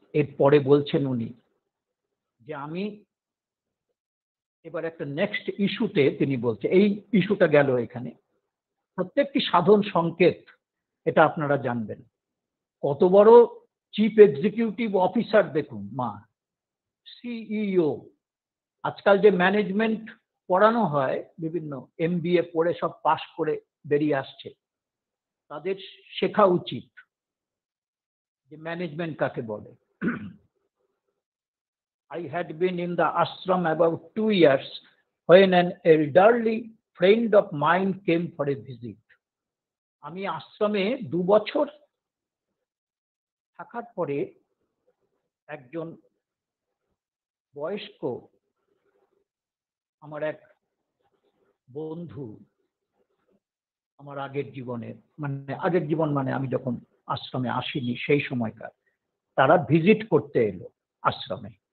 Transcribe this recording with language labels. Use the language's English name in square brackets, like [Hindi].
[Bangla] এরপরে বলছেন উনি যে আমি এবার একটা নেক্সট ইস্যুতে, তিনি বলছে এই ইস্যুটা গেল এখানে, প্রত্যেকটি সাধন সংকেত এটা আপনারা জানবেন, কত বড় চিফ এক্সিকিউটিভ অফিসার দেখুন, মা সিইও আজকাল যে ম্যানেজমেন্ট পড়ানো হয় বিভিন্ন MBA পড়ে সব পাশ করে বেরিয়ে আসছে, তাদের শেখা উচিত যে ম্যানেজমেন্ট কাকে বলে। [English] I had been in the ashram about 2 years when an elderly friend of mine came for a visit. [Bangla] আমি আশ্রমে 2 বছর থাকার পরে একজন বয়স্ক আমার এক বন্ধু আমার আগের জীবনের, মানে আগের জীবন মানে আমি যখন আশ্রমে আসিনি সেই সময়কার, তারা ভিজিট করতে এলো আশ্রমে।